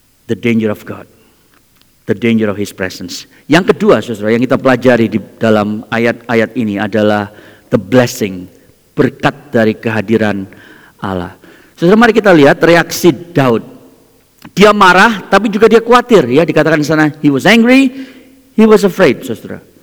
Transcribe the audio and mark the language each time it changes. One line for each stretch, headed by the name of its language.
English: The danger of God, the danger of His presence.
Indonesian: Yang kedua, saudara, yang kita pelajari di dalam ayat-ayat ini adalah
English: the blessing,
Indonesian: berkat dari kehadiran Allah. Saudara, mari kita lihat reaksi Daud. Dia marah, tapi juga dia khawatir. Ya, dikatakan di sana,
English: he was angry, he was afraid,
Indonesian: saudara.